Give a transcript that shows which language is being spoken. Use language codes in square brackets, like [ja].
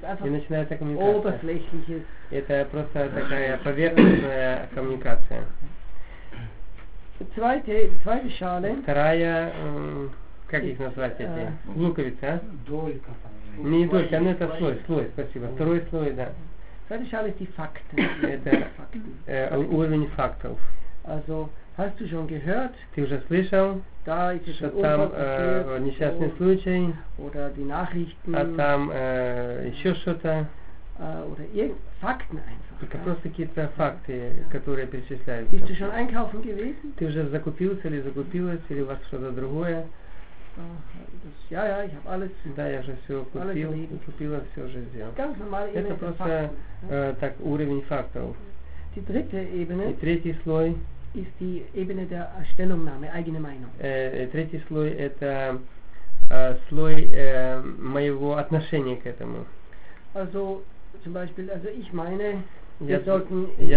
[ru] И начинается коммуникация. Это просто такая поверхностная коммуникация. [de] Zweite Schale. [ru] Вторая, как их назвать эти? Луковица, а? Долька. Не долька, но это слой, спасибо. Второй слой, да. [de] Zweite Schale ist die Fakten. [ru] Уровень фактов. [de] Also, hast du schon gehört? [ru] Ты уже слышал? [de] Da ist es [ru] что там несчастный случай? [de] Oder die Nachrichten? [ru] А там еще что-то? [de] Oder Fakten einfach. [ru] Это просто какие-то факты, которые перечисляют. [de] Bist du schon einkaufen gewesen? [ru] Ты уже закупился или закупилась, или у вас что-то другое? [de] Ja, ich habe alles. [ru] Да, я же все купил, купила, все уже сделал. [de] Ganz normal, [ru] это просто так уровень фактов. [de] Die dritte Ebene. [ru] И третий слой. [de] Ist die Ebene der Stellungnahme, eigene Meinung. [ru] Третий слой это слой моего отношения к этому. [de] Also zum Beispiel, also ich meine, wir sollten